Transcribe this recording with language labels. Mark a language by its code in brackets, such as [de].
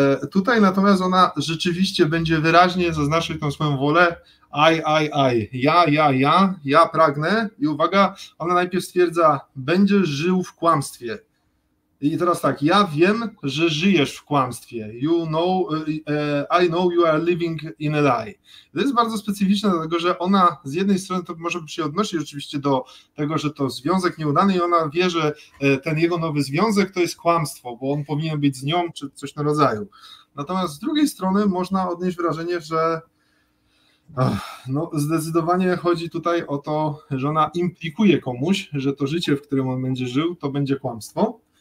[pl] Tutaj natomiast ona rzeczywiście będzie wyraźnie zaznaczyć tą swoją wolę I. Ja pragnę. I uwaga, ona najpierw stwierdza, będziesz żył w kłamstwie. I teraz tak, ja wiem, że żyjesz w kłamstwie. [en] You know, I know you are living in a lie. [pl] To jest bardzo specyficzne, dlatego że ona z jednej strony to może się odnosić oczywiście do tego, że to związek nieudany i ona wie, że ten jego nowy związek to jest kłamstwo, bo on powinien być z nią czy coś na rodzaju. Natomiast z drugiej strony można odnieść wrażenie, że no, zdecydowanie chodzi tutaj o to, że ona implikuje komuś, że to życie, w którym on będzie żył, to będzie kłamstwo.